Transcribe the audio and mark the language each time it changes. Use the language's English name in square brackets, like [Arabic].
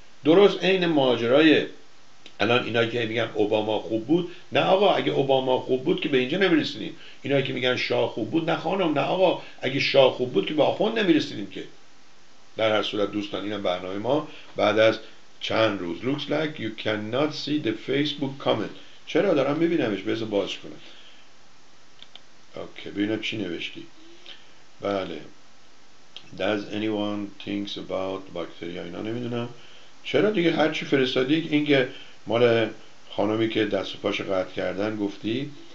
[Persian] درست این ماجرای الان اینا که میگن اوباما خوب بود، نه آقا اگه اوباما خوب بود که به اینجا نمیرسیدیم، اینا که میگن شاه خوب بود، نه خانم، نه آقا اگه شاه خوب بود که به آخوند نمیرسیدیم که. در هر صورت دوستان اینم برنامه ما بعد از چند روز. [English] Looks like you cannot see the Facebook comment. [Persian] چرا دارم میبینمش، بذار بازش کنم. اوکی ببینم چی نوشتی. بله. [English] Does anyone thinks about bacteria؟ [Persian] اینا نمیدونم چرا دیگه هرچی فرستادی. اینکه مال خانمی که دست و پاش قطع کردن گفتی.